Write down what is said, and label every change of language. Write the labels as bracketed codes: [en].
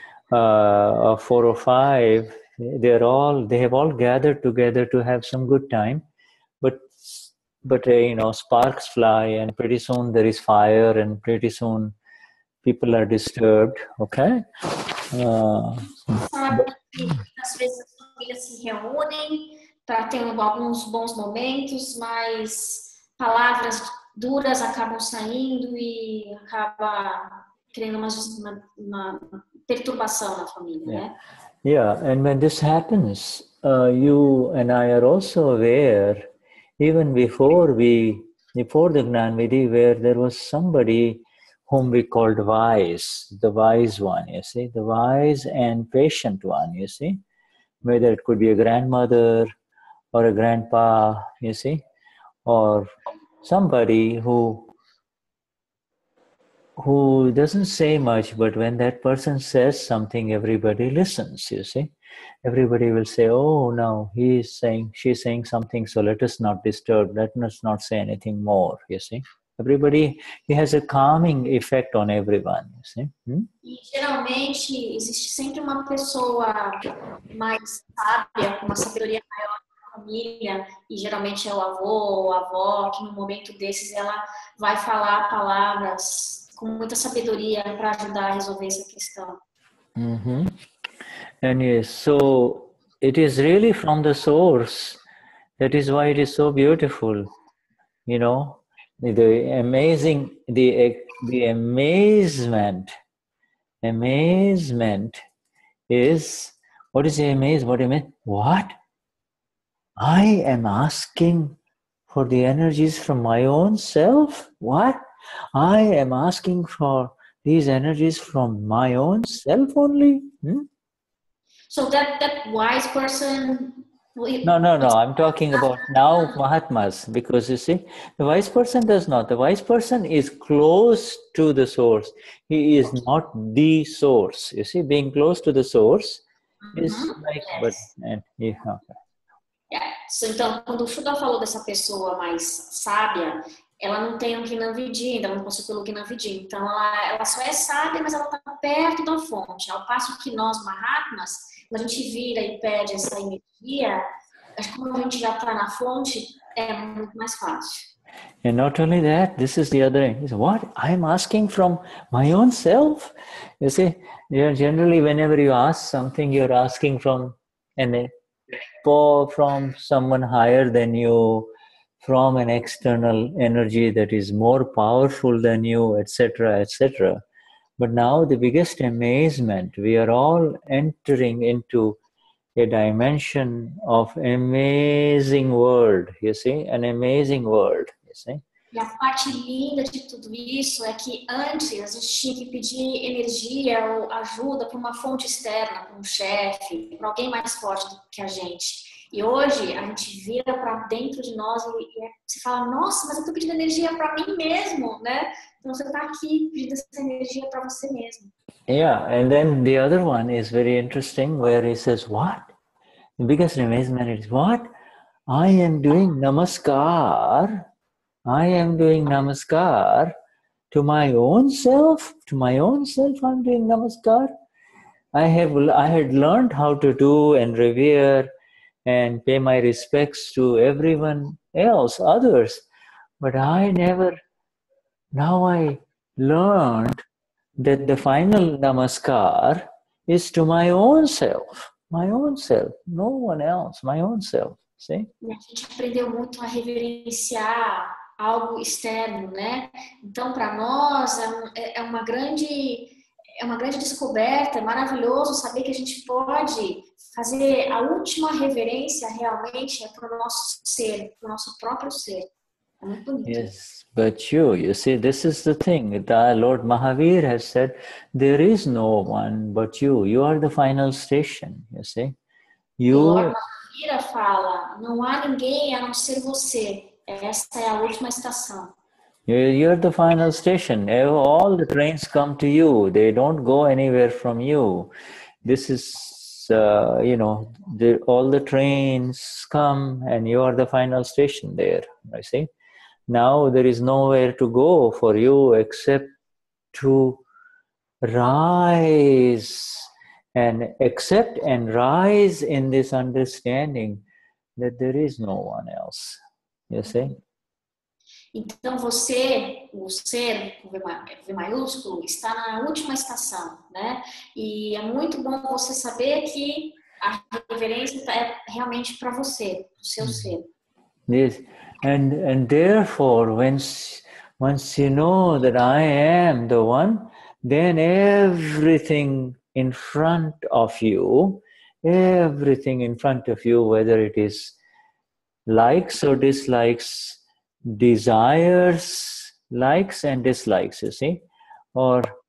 [en] Four or five, they have all gathered together to have some good time, but sparks fly and pretty soon there is fire and pretty soon people are disturbed, okay? [pt] Às vezes as famílias se reúnem para ter alguns bons momentos, mas palavras duras acabam saindo e acaba criando uma perturbação na família, [en] yeah. [pt] Né? [en] Yeah, and when this happens, you and I are also aware, even before the Gnanvidhi, where there was somebody whom we called wise, the wise one, you see, the wise and patient one, you see, whether it could be a grandmother or a grandpa, you see, or somebody who doesn't say much, but when that person says something, everybody listens, you see. Everybody will say, oh, no, she's saying something, so let us not disturb, let us not say anything more, you see. Everybody, he has a calming effect on everyone, you see. [pt] E geralmente, existe sempre uma pessoa mais sábia, com uma sabedoria maior na família, e geralmente é o avô ou a avó, que no momento desses, ela vai falar palavras com muita sabedoria para ajudar a resolver essa questão. Mm-hmm. [en] And yes, so it is really from the source. That is why it is so beautiful. You know, the amazement is, what is the amaze? What do you mean? What? I am asking for the energies from my own self? What? I am asking for these energies from my own self only. So that wise person... No, I'm talking about now Mahatmas, because you see, the wise person does not. The wise person is close to the source. He is not the source. You see, being close to the source is like... Yes. But, and, yeah, okay. [pt] So, então, quando o Shuddha falou dessa pessoa mais sábia, ela não tem o Gnanvidhi, ainda não passou pelo Gnanvidhi. Então, ela só é sábia, mas ela está perto da fonte. Ao passo que nós, Mahatmas, quando a gente vira e pede essa energia, acho que quando a gente já está na fonte, é muito mais fácil. [en] And not only that, this is the other thing. What? I'm asking from my own self? You see, generally, whenever you ask something, you're asking from someone higher than you, from an external energy that is more powerful than you, etc., etc. But now the biggest amazement, we are all entering into a dimension of amazing world, you see? An amazing world, you see? [pt] E a parte linda de tudo isso é que antes a gente tinha que pedir energia ou ajuda para uma fonte externa, para um chefe, para alguém mais forte que a gente. E hoje a gente vira para dentro de nós e você fala, nossa, mas eu estou pedindo energia para mim mesmo, né? Então você está aqui pedindo essa energia para você mesmo. [en] Yeah, and then the other one is very interesting, where he says, what? The biggest amazement is, what? I am doing namaskar. I am doing namaskar to my own self. To my own self, I'm doing namaskar. I had learned how to do and revere and pay my respects to everyone else, others. But I never, now I learned that the final namaskar is to my own self. My own self, no one else, my own self. See? [pt] A gente aprendeu muito a reverenciar algo externo, né? Então, para nós, é uma grande descoberta, é maravilhoso saber que a gente pode fazer a última reverência realmente é para o nosso ser, para o nosso próprio ser. É muito bonito. [en] Yes, but you see, this is the thing. The Lord Mahavir has said, there is no one but you. You are the final station, you see? You... [pt] O Lord Mahavira fala, não há ninguém a não ser você. Esta é a última estação. [en] You're the final station. All the trains come to you. They don't go anywhere from you. This is, you know, all the trains come and you are the final station there. I see. Now there is nowhere to go for you except to rise and accept and rise in this understanding that there is no one else. You see? [pt] Então você, o ser, com V maiúsculo, está na última estação, né? E é muito bom você saber que a reverência é realmente para você, o seu ser. [en] Yes. And therefore, once you know that I am the one, then everything in front of you, whether it is likes or dislikes, desires, likes and dislikes, you see, or